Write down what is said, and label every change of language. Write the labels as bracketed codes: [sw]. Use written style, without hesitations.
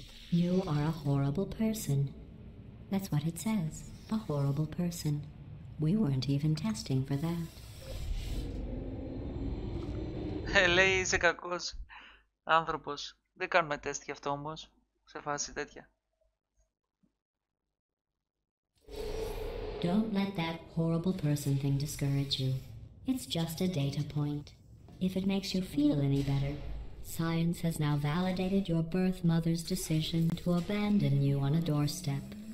[en] You are a horrible person. That's what it says. A horrible person. We weren't even testing for that. [el] Λέει είσαι κακός άνθρωπος. Δεν κάνουμε τεστ γι' αυτό όμως. Σε φάση τέτοια. [en] Don't let that horrible person thing discourage you. It's just a data point. If it makes you feel any better, science has now validated your birth mother's decision to abandon you on a doorstep.